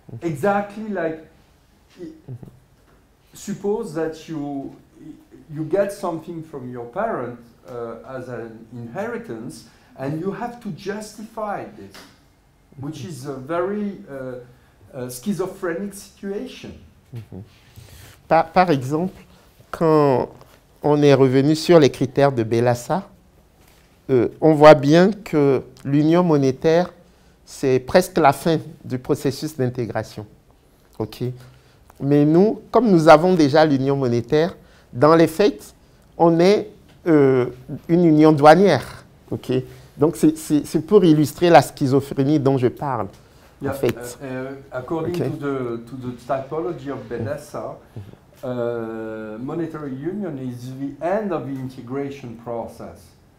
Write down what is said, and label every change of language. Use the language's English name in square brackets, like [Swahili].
[English] Exactly like, suppose that you get something from your parent as an inheritance, and you have to justify this, which is a very schizophrenic situation. Mm-hmm. [French] Par exemple, quand on est revenu sur les critères de Bélassa, on voit bien que l'union monétaire, c'est presque la fin du processus d'intégration. Okay. Mais nous, comme nous avons déjà l'union monétaire, dans les faits, on est une union douanière. Okay. Donc c'est pour illustrer la schizophrénie dont je parle. Yeah, en fait. [English] According to the typology of Bélassa, monetary union is the end of the integration process.